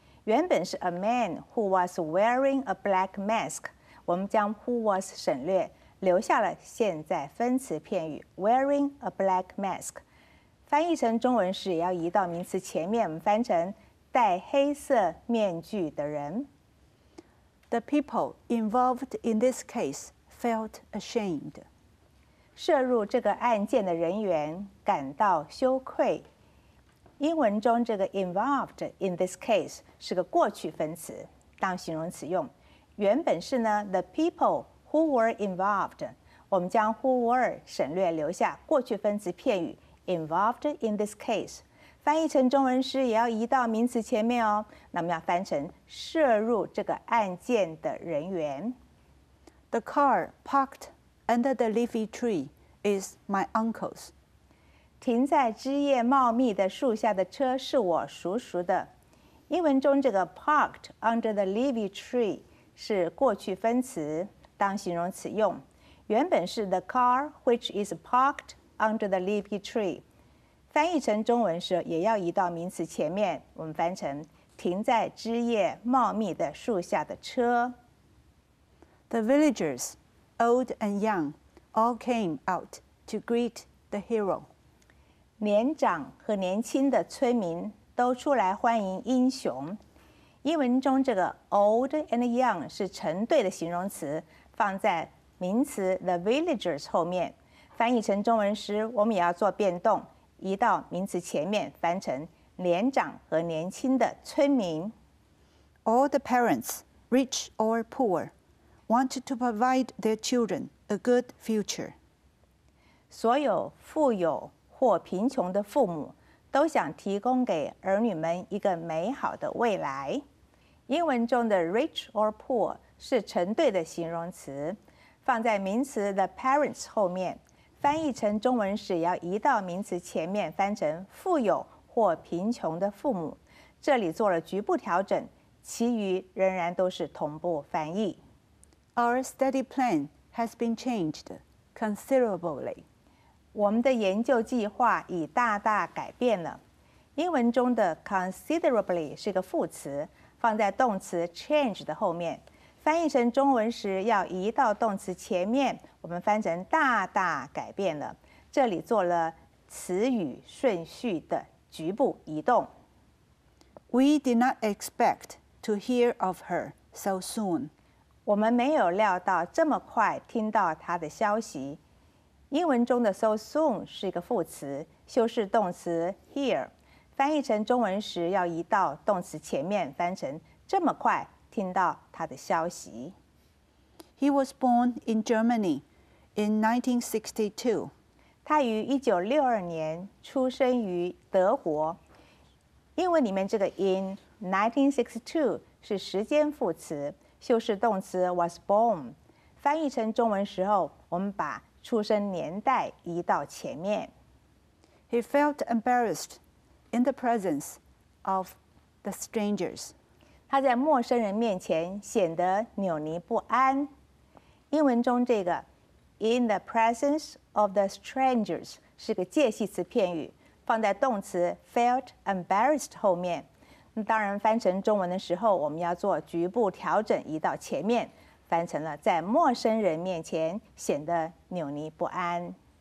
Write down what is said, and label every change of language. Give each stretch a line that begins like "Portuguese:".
Chinese: 原本是
English: a man who was wearing a black mask，
Chinese: 我们将
English: who was
Chinese: 省略，留下了现在分词片语
English: wearing a black mask。
Chinese: 翻译成中文时也要移到名词前面，我们翻成戴黑色面具的人。
English: The people involved in this case felt ashamed.
Chinese: 涉入这个案件的人员感到羞愧。英文中这个
English: involved in this case
Chinese: 是个过去分词，当形容词用。原本是呢
English: the people who were involved，
Chinese: 我们将
English: who were
Chinese: 省略，留下过去分词片语
English: involved in this case。
Chinese: 翻译成中文时也要移到名词前面哦。那么要翻成涉入这个案件的人员。
English: The car parked under the leafy tree is my uncle's。
Chinese: 停在枝叶茂密的树下的车是我叔叔的。英文中这个
English: parked under the leafy tree
Chinese: 是过去分词，当形容词用。原本是
English: the car which is parked under the leafy tree。
Chinese: 翻译成中文时也要移到名词前面，我们翻成停在枝叶茂密的树下的车。
English: The villagers, old and young, all came out to greet the hero.
Chinese: 年长和年轻的村民都出来欢迎英雄。英文中这个
English: old and young
Chinese: 是成对的形容词，放在名词
English: the villagers
Chinese: 后面。翻译成中文时我们也要做变动，移到名词前面，翻成年长和年轻的村民。
English: All the parents, rich or poor, wanted to provide their children a good future.
Chinese: 所有富有或贫穷的父母都想提供给儿女们一个美好的未来。英文中的
English: rich or poor
Chinese: 是成对的形容词，放在名词
English: the parents
Chinese: 后面。翻译成中文时要移到名词前面，翻成富有或贫穷的父母。这里做了局部调整，其余仍然都是同步翻译。
English: Our study plan has been changed considerably.
Chinese: 我们的研究计划已大大改变了。英文中的 considerably 是个副词，放在动词 change 的后面。翻译成中文时要移到动词前面，我们翻成大大改变了。这里做了词语顺序的局部移动。
English: We did not expect to hear of her so soon.
Chinese: 我们没有料到这么快听到她的消息。英文中的
English: so soon
Chinese: 是一个副词，修饰动词 hear。翻译成中文时要移到动词前面，翻成这么快听到他的消息。
English: He was born in Germany in 1962.
Chinese: 他于1962年出生于德国。英文里面这个
English: in 1962
Chinese: 是时间副词，修饰动词
English: was born。
Chinese: 翻译成中文时候，我们把出生年代移到前面。
English: He felt embarrassed in the presence of the strangers.
Chinese: 他在陌生人面前显得扭捏不安。英文中这个
English: in the presence of the strangers
Chinese: 是个介系词片语，放在动词
English: felt embarrassed
Chinese: 后面。当然翻成中文的时候我们要做局部调整，移到前面，翻成了在陌生人面前显得扭捏不安。